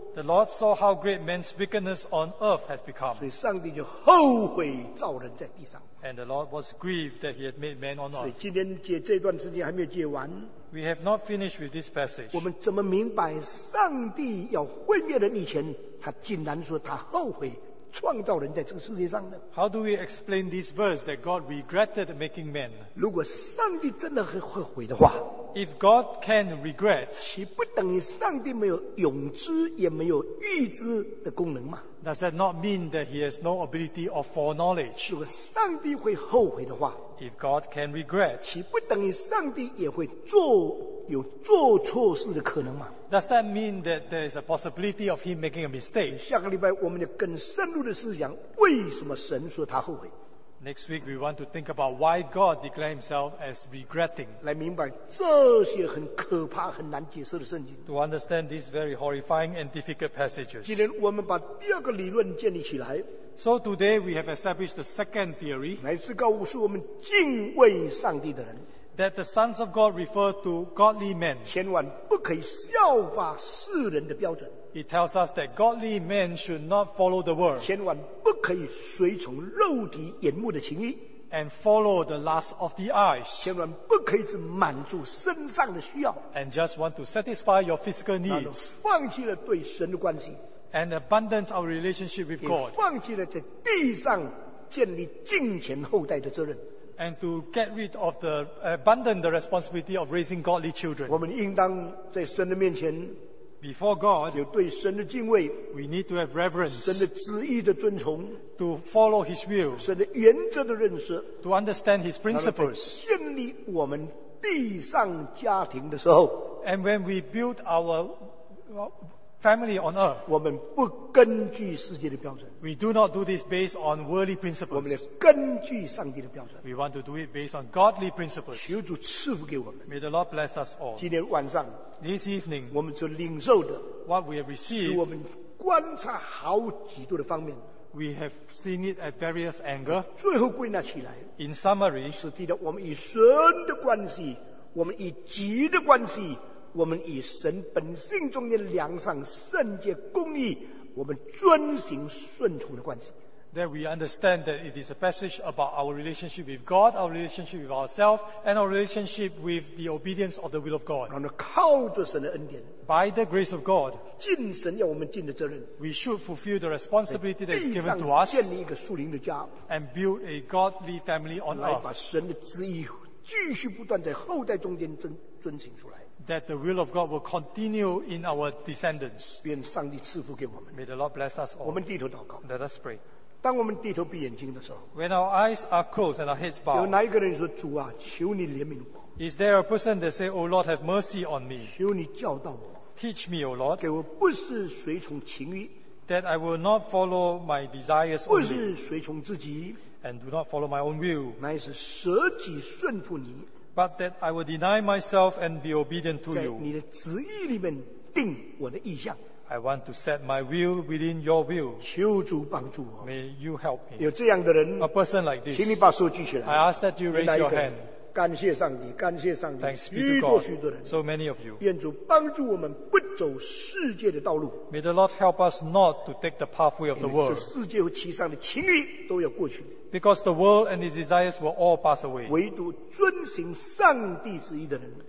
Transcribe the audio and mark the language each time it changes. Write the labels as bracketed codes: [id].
[en] The Lord saw how great man's wickedness on earth has become. [zh] 所以上帝就后悔造人在地上。 [en] And the Lord was grieved that he had made man on earth. [zh] 所以今天解这段时间还没有解完。 [en] We have not finished with this passage. [zh] 我们怎么明白上帝要毁灭人以前，他竟然说他后悔创造人在这个世界上呢？ [en] How do we explain this verse that God regretted making man? [zh] 如果上帝真的会后悔的话。 [en] If God can regret, [zh] 岂不等于上帝没有永知也没有预知的功能吗？ [en] Does that not mean that he has no ability of foreknowledge? [zh] 如果上帝会后悔的话， [en] If God can regret, [zh] 岂不等于上帝也会做有做错事的可能吗？ [en] Does that mean that there is a possibility of him making a mistake? [zh] 下个礼拜我们要更深入的思想为什么神说他后悔。 [en] Next week, we want to think about why God declared himself as regretting. [zh] 来明白这些很可怕、很难解释的圣经。 [en] To understand these very horrifying and difficult passages. [zh] 今天我们把第二个理论建立起来。 [en] So today, we have established the second theory. [zh] 乃是告诉我们敬畏上帝的人。 [en] That the sons of God refer to godly men. [zh] 千万不可以效法世人的标准。 [en] It tells us that godly men should not follow the world. [zh] 千万不可以随从肉体眼目的情欲。 [en] And follow the lust of the eyes. [zh] 千万不可以只满足身上的需要。 [en] And just want to satisfy your physical needs. [zh] 放弃了对神的关系。 [en] And abandon our relationship with God. [zh] 也放弃了在地上建立敬虔后代的责任。 [en] And to get rid of the abandon the responsibility of raising godly children. [zh] 我们应当在神的面前。 [en] Before God, [zh] 有对神的敬畏。 [en] We need to have reverence. [zh] 神的旨意的遵从。 [en] To follow His will. [zh] 神的原则的认识。 [en] To understand His principles. [zh] 在建立我们地上家庭的时候。 [en] And when we build our family on earth, [zh] 我们不根据世界的标准。 [en] We do not do this based on worldly principles. [zh] 我们根据上帝的标准。 [en] We want to do it based on godly principles. [zh] 求主赐福给我们。 [en] May the Lord bless us all. [zh] 今天晚上。 [en] This evening, [zh] 我们所领受的 [en] what we have received, [zh] 使我们观察好几度的方面 [en] we have seen it at various angle, [zh] 最后归纳起来 [en] in summary, [zh] 是提到我们与神的关系我们与己的关系我们与神本性中间良善圣洁公义我们遵行顺从的关系 [en] that we understand that it is a passage about our relationship with God our relationship with ourselves and our relationship with the obedience of the will of God [zh] 然后靠着神的恩典 [en] by the grace of God [zh] 尽神要我们尽的责任 [en] we should fulfill the responsibility that is given to us [zh] 在地上建立一个属灵的家 [en] and build a godly family on earth [zh] 来把神的旨意继续不断在后代中间遵行出来 [en] That the will of God will continue in our descendants. [zh] 愿上帝赐福给我们。 [en] May the Lord bless us all. [zh] 我们低头祷告。 [en] Let us pray. [zh] 当我们低头闭眼睛的时候。 [en] When our eyes are closed and our heads bowed. [zh] 有哪一个人说主啊，求你怜悯我。 [en] Is there a person that say, "O Lord, have mercy on me"? [zh] 求你教导我。 [en] Teach me, O Lord. [zh] 给我不是随从情欲。 [en] That I will not follow my desires only. [zh] 不是随从自己。 [en] And do not follow my own will. [zh] 乃是舍己顺服你。 [en] But that I will deny myself and be obedient to you. [zh] 在你的旨意里面定我的意向。 [en] I want to set my will within your will. [zh] 求主帮助我。 [en] May you help me. [zh] 有这样的人。 [en] A person like this. [zh] 请你把手举起来。 [en] I ask that you raise your hand. [zh] 感谢上帝，感谢上帝。 [en] Thanks be to God. [zh] 许多许多人 [en] so many of you. [zh] 愿主帮助我们不走世界的道路。 [en] May the Lord help us not to take the pathway of the world. [zh] 这世界和其上的情欲都要过去。 [en] Because the world and its desires will all pass away. [zh] 唯独遵行上帝旨意的人